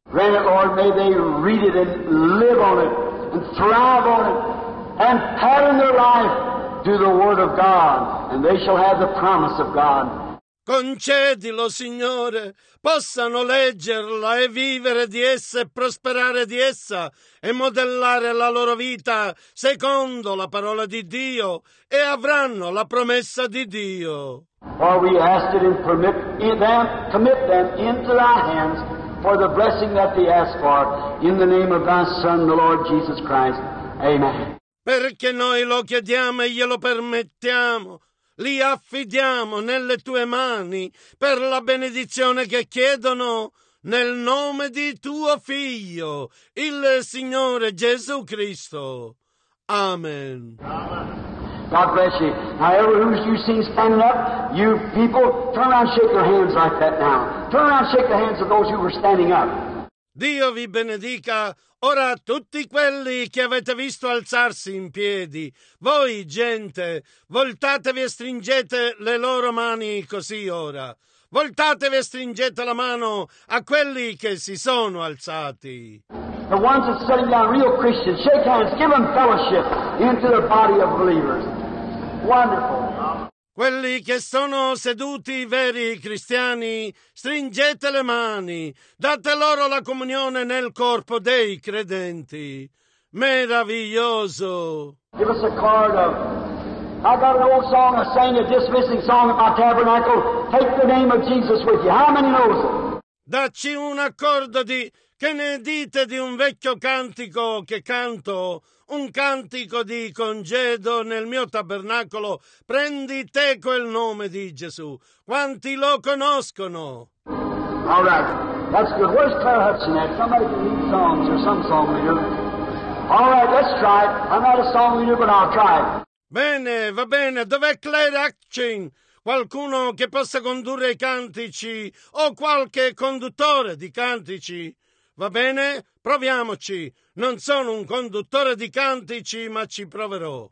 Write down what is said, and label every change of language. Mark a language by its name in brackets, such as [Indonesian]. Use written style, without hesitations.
[English] Grant it, Lord, may they read it and live on it and thrive on it and pattern their life to the word of God, and they shall have the promise of God. [Italian] Concedilo, Signore, possano leggerla e vivere di essa e prosperare di essa e modellare la loro vita secondo la parola di Dio e avranno la promessa di Dio. [English] For we ask it and commit them into thy hands for the blessing that thee ask for in the name of thy Son, the Lord Jesus Christ. Amen. [Italian] Perché noi lo chiediamo e glielo permettiamo. Li affidiamo nelle tue mani per la benedizione che chiedono nel nome di tuo figlio, il Signore Gesù Cristo. Amen. [English] God bless you. Now, everyone you see standing up, you people, turn around and shake your hands like that now. Turn around and shake the hands of those who were standing up. [Italian] Dio vi benedica. Ora tutti quelli che avete visto alzarsi in piedi, voi gente, voltatevi e stringete le loro mani così ora. Voltatevi e stringete la mano a quelli che si sono alzati. [English] The ones that are sitting down, real Christians, shake hands, give them fellowship into the body of believers. Wonderful. [Italian] Quelli che sono seduti, veri cristiani, stringete le mani, date loro la comunione nel corpo dei credenti. Meraviglioso! [English] Give us a card of... I got an old song, I sang a dismissing song at my tabernacle. Take the name of Jesus with you. How many knows it? [Italian] Dacci un accordo di... Che ne dite di un vecchio cantico che canto? Un cantico di congedo nel mio tabernacolo. Prendi te quel nome di Gesù. Quanti lo conoscono? [English] All right. That's good. Where's Claire Hudson at? Somebody can read songs or some song leader. All right, let's try it. I'm not a song leader, but I'll try it. [Italian] Bene, va bene. Dov'è Claire Hudson? Qualcuno che possa condurre i cantici o qualche conduttore di cantici? Va bene? Proviamoci. Non sono un conduttore di cantici, ma ci proverò.